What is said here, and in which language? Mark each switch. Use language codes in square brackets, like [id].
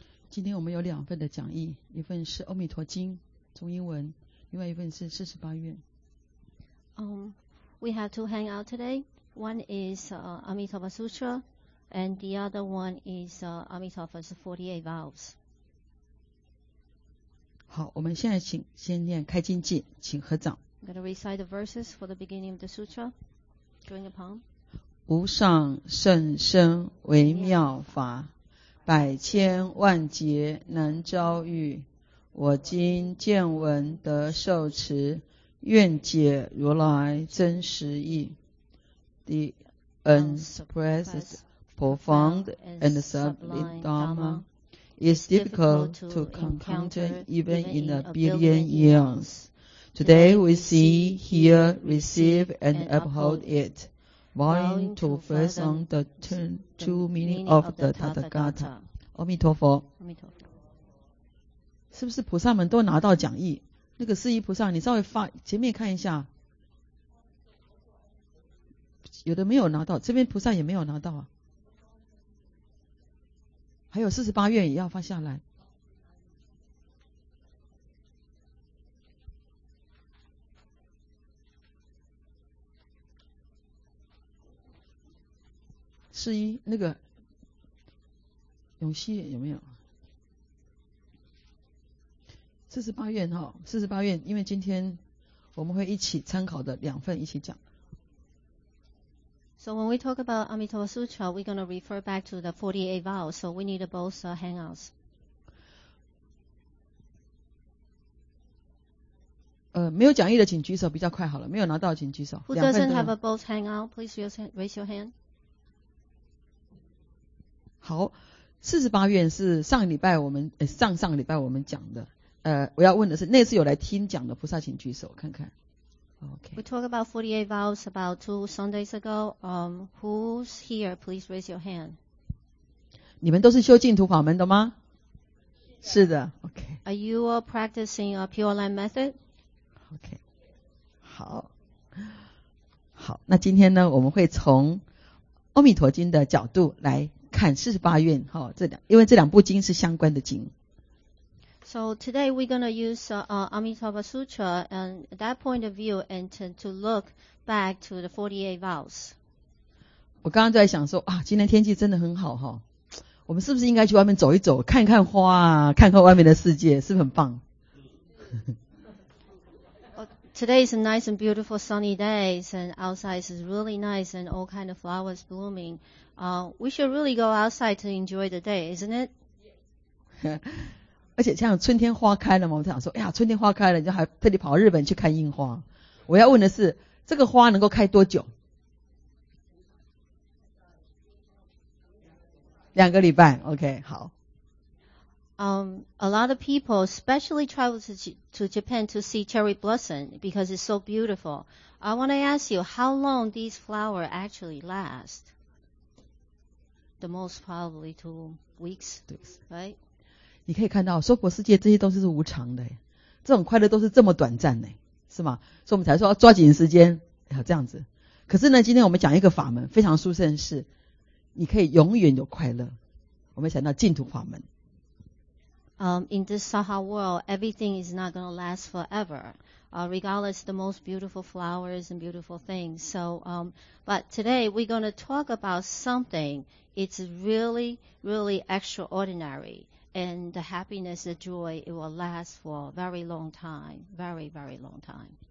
[zh] 今天我们有两份的讲义，一份是《阿弥陀经》中英文，另外一份是四十八愿。 [en] We have two hangout today. One is Amitabha Sutra, and the other one is Amitabha's 48 vows. [zh] 好，我们现在先念开经偈，请合掌。 [en] I'm going to recite the verses for the beginning of the sutra. Join the palm. [zh] 无上甚深微妙法。百千万劫难遭遇，我今见闻得受持，愿解如来真实义。 [en] The unexpressed, profound and sublime Dharma is difficult to encounter even in a billion eons. Today we see, hear, receive and uphold it. Vowing to fathom the true meaning of the Tathagata. [zh] 阿弥陀佛。阿弥陀佛。是不是菩萨们都拿到讲义？那个释迦菩萨，你稍微发前面看一下，有的没有拿到，这边菩萨也没有拿到啊。还有四十八愿也要发下来。四一那个永熙有没有四十八愿？哈，四十八愿，因为今天我们会一起参考的两份一起讲。 [en] So when we talk about Amitabha Sutra, we're going to refer back to the 48 vows. So we need both hangouts. [zh] 没有讲义的请举手比较快好了。没有拿到请举手。 [en] Who doesn't have a both hangout? Please raise your hand. [zh] 好，四十八愿是上礼拜我们、上上礼拜我们讲的。我要问的是，那次有来听讲的菩萨，请举手看看。 [en] Okay. We talk about 48 vows about two Sundays ago. Who's here? Please raise your hand. [zh] 你们都是修净土法门的吗？是的。Okay. [en] Are you all practicing a Pure Land method? Okay. [zh] 好，好，那今天呢，我们会从《阿弥陀经》的角度来。看四十八愿，因为这两部经是相关的经。 So today we're going to use Amitabha Sutra and that point of view and to look back to the 48 vows. 我刚刚在想说啊，今天天气真的很好哈，我们是不是应该去外面走一走，看看花，看看外面的世界，是不是很棒？ [en] Today is a nice and beautiful sunny day, and outside is really nice, and all kind of flowers blooming. We should really go outside to enjoy the day, isn't it? [zh] 而且像春天花开了嘛，我想说，哎呀，春天花开了，你还特地跑到日本去看樱花。我要问的是，这个花能够开多久？两个礼拜 ，OK， 好。 [en] A lot of people especially travel to Japan to see cherry blossom because it's so beautiful. I want to ask you, how long these flowers actually last? The most probably 2 weeks, right? [zh] 你可以看到，娑婆世界这些东西是无常的，这种快乐都是这么短暂的，是吗？所以我们才说要抓紧时间，这样子。可是呢，今天我们讲一个法门，非常殊胜的是，你可以永远有快乐。我们想到净土法门。 [en] In this Saha world, everything is not going to last forever, regardless of the most beautiful flowers and beautiful things. So, but today we're going to talk about something. It's really, really extraordinary. And the happiness, the joy, it will last for a very long time, very, very long time.